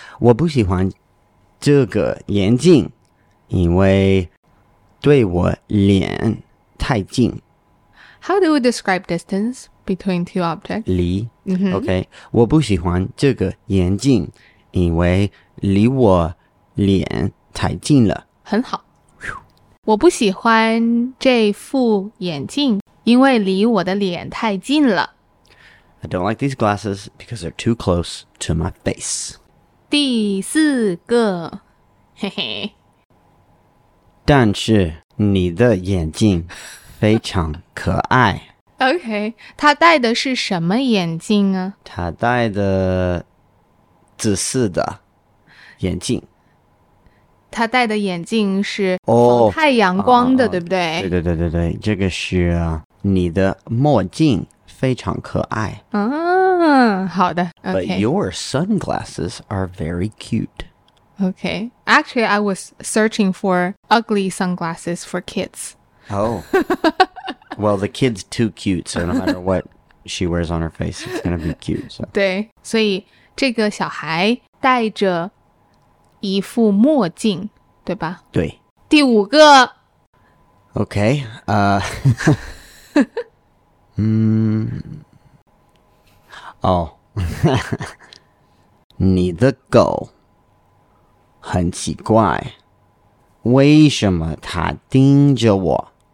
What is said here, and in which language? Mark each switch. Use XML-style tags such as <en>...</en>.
<zh>我不喜欢这个眼镜因为对我脸太近。</zh> <en>How do we describe distance between two objects? 离.Mm-hmm. Okay.</en> <zh>我不喜欢这个眼镜因为离我脸太近了。很好。我不喜欢这副眼镜因为离我的脸太近了。</zh> <en>I don't like these glasses because they're too close to my face.</en> <zh>第四个，嘿嘿。但是你的眼镜非常可爱。 OK, 他戴的是什么眼镜啊？他戴的紫色的眼镜。他戴的眼镜是防太阳光的，对不对？对对对对对，这个是啊。你的墨镜非常可爱。好的。Okay.</zh> <en>But your sunglasses are very cute. Okay. Actually, I was searching for ugly sunglasses for kids. Oh. Well, the kid's too cute, so no matter what she wears on her face, it's going to be cute. So.</en> <zh>对。所以这个小孩戴着一副墨镜,对吧? 对。第五个。</zh> <en>Okay.</en> <zh>Oh, 你的狗很奇怪，为什么它盯着我？</zh>